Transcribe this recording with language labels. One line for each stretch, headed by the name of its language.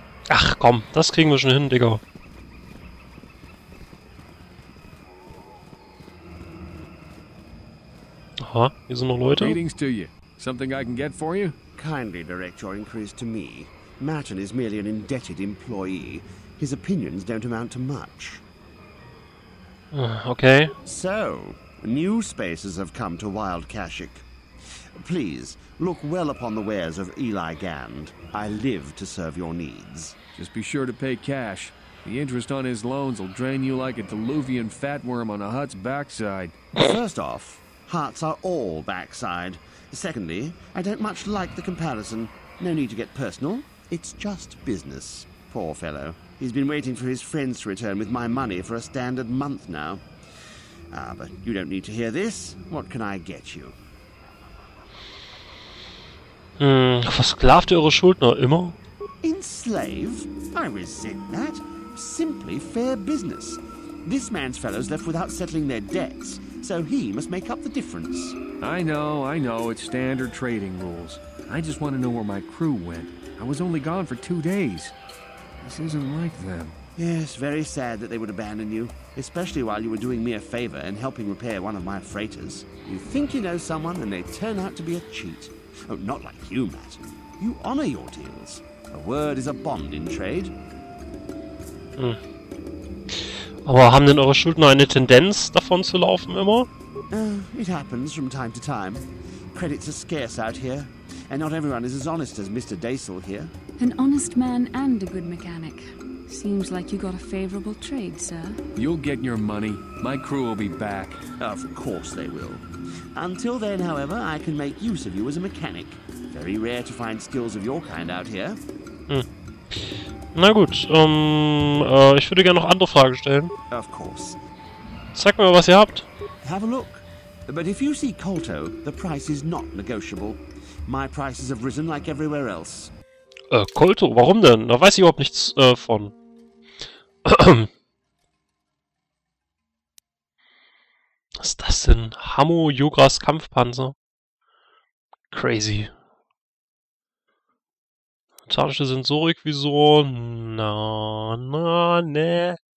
German: Ach komm, das kriegen wir schon hin, Digga. Aha, hier sind noch Leute.
English: Greetings to you. Something I can get for you? Kindly direct your inquiries to me. Martin is merely an indebted employee. His opinions don't amount to much. Okay. So, new spaces have come to Wild Kashyyyk. Please, look well upon the wares of Eli Gand. I live to serve your needs. Just be sure to pay cash. The interest on his loans will drain you like a diluvian fatworm on a hut's backside. First off, huts are all backside. Secondly, I don't much like the comparison. No need to get personal. It's just business. Poor fellow. He's been waiting for his friends to return with my money for a standard month now. Ah, but you don't need to hear this. What can I get you?
German: Versklavt ihr eure Schuldner immer?
English: Enslave? I resent that. Simply fair business. This man's fellows left without settling their debts, so he must make up the difference. I know. It's standard trading rules. I just want to know where my crew went. I was only gone for 2 days. This isn't like them. Yes, very sad that they would abandon you, especially while you were doing me a favor and helping repair one of my freighters. You think you know someone and they turn out to be a cheat. Oh, not like you, Matt. You honor your deals. A word is a bond in trade.
German: Aber haben denn eure Schuldner eine Tendenz, davon zu laufen immer?
English: It happens from time to time. Credits are scarce out here, and not everyone is as honest as Mr. Dacel here. An honest man and a good mechanic. Seems like you got a favorable trade, sir. You'll get your money. My crew will be back. Of course they will. Until then, however, I can make use of you as a mechanic. Very rare to find skills of your kind out here.
German: Na gut, ich würde gerne noch andere Fragen stellen.
English: Of course.
German: Zeig mir mal, was ihr habt.
English: Have a look. But if you see Colto, the price is not negotiable. My prices have risen like everywhere else.
German: Colto, warum denn? Da weiß ich überhaupt nichts von. Was ist das denn? Hammo Jugras Kampfpanzer? Crazy. Tarnische Sensorik, wieso? Na, na, ne.